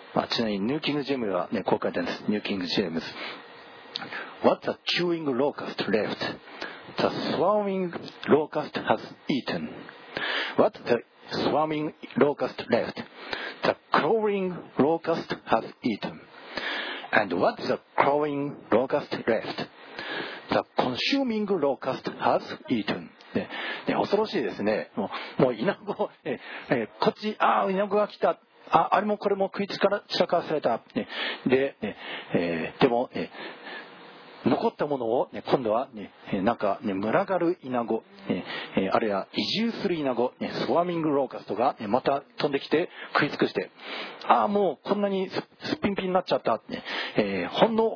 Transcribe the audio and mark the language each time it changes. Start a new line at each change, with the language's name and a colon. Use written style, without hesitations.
Japanese: ちなみにニューキングジェームズは、ね、こう書いてあるんです。
English: ニューキングジェームズ、 What the chewing locust left, the swarming locust has eaten. What the swarming locust left, the crawling locust has eaten. And what the crawling locust left, the consuming locust has eaten.
Japanese: ね、恐ろしいですね。もうイナゴ、こっち、ああイナゴが来た、あれもこれも食い散らかされた、ね、で、ね、でも、ね、残ったものを、ね、今度は、ね、なんか、ね、群がるイナゴ、ね、あるいは移住するイナゴ、ね、スワーミングローカストが、ね、また飛んできて食い尽くして、ああもうこんなにすっぴんぴんになっちゃった、ね、ほん